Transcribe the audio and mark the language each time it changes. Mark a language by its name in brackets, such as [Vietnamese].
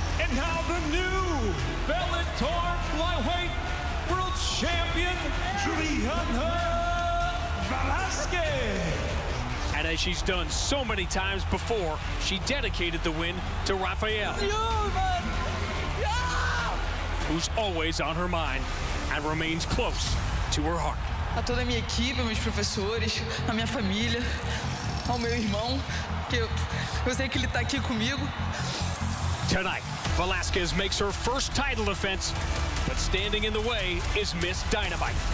[English] And now the new Bellator flyweight world champion, Juliana Velasquez. And as she's done so many times before, she dedicated the win to Rafael, who's always on her mind and remains close to her heart. [Portuguese] A toda a minha equipe, meus professores, a minha família, ao meu irmão, que eu sei que ele tá aqui comigo. [English] Tonight, Velasquez makes her first title defense, but standing in the way is Miss Dynamite.